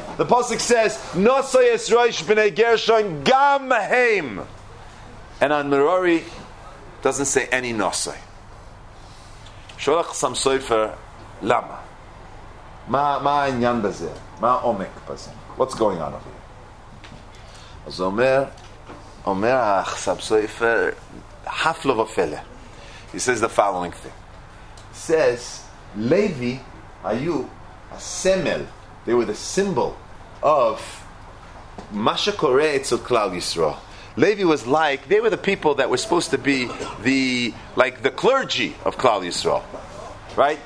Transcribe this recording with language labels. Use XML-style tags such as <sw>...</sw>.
<en>The pasuk says,</en> <he>"Nosai es roish b'nei Gershon gam heim."</he> <en>And on Merari, doesn't say any nosai.</en> <he>Sholach Chassam Sofer, lama? Ma inyan baze? Ma omek baze?</he> <en>What's going on over here?</en> <he>אז אומר החסם סופר הפלו ופלא.</he> <en>He says the following thing. He says, Levi היו הסמל, they were the symbol of</en> <he>מה שקורה אצל כלל ישראל.</he> <en>Levi was like, they were the people that were supposed to be the clergy of כלל ישראל. Right?</en>